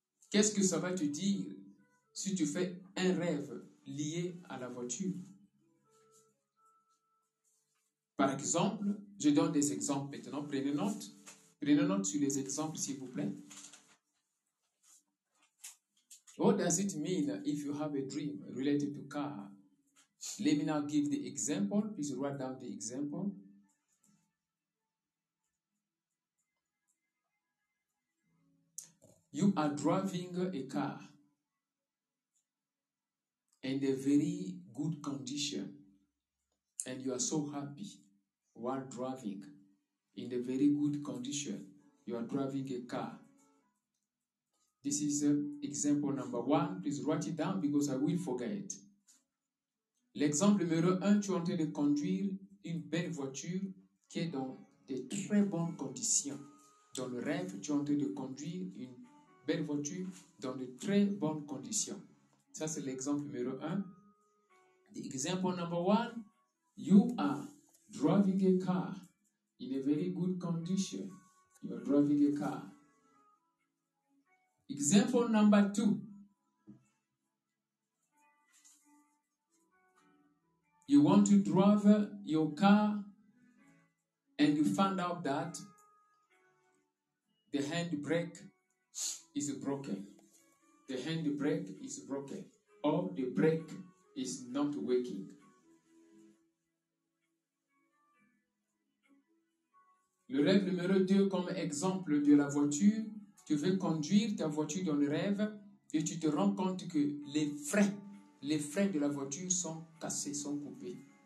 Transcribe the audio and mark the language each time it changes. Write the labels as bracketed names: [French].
[French] Qu'est-ce que ça va te dire si tu fais un rêve lié à la voiture? Par exemple, je donne des exemples maintenant. Prenez note. Prenez note sur les exemples, s'il vous plaît. [English] What does it mean if you have a dream related to car? Let me now give the example. Please write down the example. You are driving a car in a very good condition and you are so happy while driving in a very good condition. You are driving a car. This is example number one. Please write it down because I will forget. [French] L'exemple numéro un, tu es en train de conduire une belle voiture qui est dans de très bonnes conditions. Dans le rêve, tu es en train de conduire une belle voiture dans de très bonnes conditions. Ça, c'est l'exemple numéro un. [English] The example number one, you are driving a car in a very good condition. You are driving a car. Example number two. You want to drive your car and you find out that the handbrake is broken. The handbrake is broken or the brake is not working. [French] Le rêve numéro deux comme exemple de la voiture. Tu veux conduire ta voiture dans le rêve et tu te rends compte que les freins de la voiture sont cassés, sont coupés.